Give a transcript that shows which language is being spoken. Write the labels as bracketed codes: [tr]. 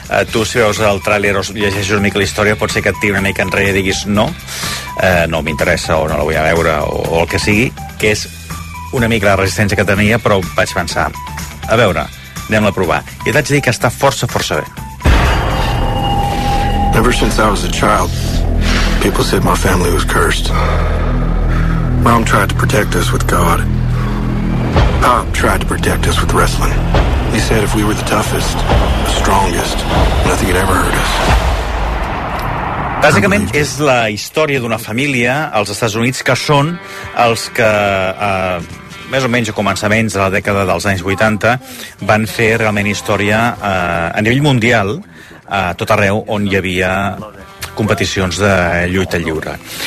[ca] Tu, si veus el tràiler o llegeixes una mica la història, pot ser que et tiri una mica enrere i diguis no m'interessa o no la vull veure o el que sigui, que és una mica la resistència que tenia, però vaig pensar, a veure, anem-la a provar. I t'haig de dir que està força, força bé. [en] Ever since I was a child, people said my family was cursed. Mom tried to protect us with God. Pop tried to protect us with wrestling. He said if we were the toughest, the strongest, nothing could ever hurt us. [ca] Bàsicament és la història d'una família als Estats Units que són els que, més o menys a començaments de la dècada dels anys 80, van fer realment història a nivell mundial, a tot arreu on hi havia competicions de lluita lliure.